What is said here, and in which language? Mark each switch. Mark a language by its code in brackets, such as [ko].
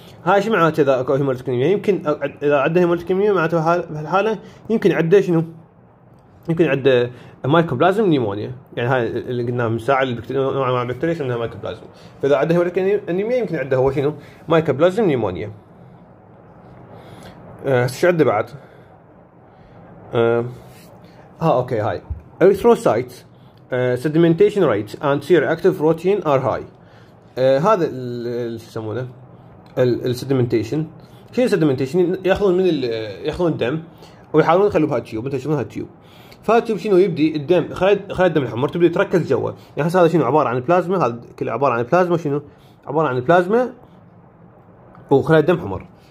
[ar] هاي شو معناته اذا اكو هيموليتيك انيميا؟ يمكن اذا عنده هيموليتيك انيميا معناته بهالحاله يمكن عنده شنو؟ يمكن عنده مايكوبلازم نيمونيا، يعني هاي اللي قلناها من ساعه نوع مع البكتيريا اسمها مايكوبلازم. فاذا عنده هيموليتيك انيميا يمكن عنده هو شنو؟ مايكوبلازم نيمونيا. ايش عنده بعد؟ اوكي هاي اريثروسايت [en] sedimentation rate and C-reactive protein are high. [ar] هذا اللي يسمونه sedimentation. شو sedimentation؟ ياخذون من ياخذون الدم ويحاولون يخلوه بهذا التيوب. انت شنو هذا التيوب؟ فهذا التيوب شنو يبدي الدم خلايا الدم الحمر تبدي تركز جوا. يعني هسه هذا شنو عباره عن بلازما، هذا كله عباره عن بلازما، شنو عباره عن بلازما وخلايا الدم حمر.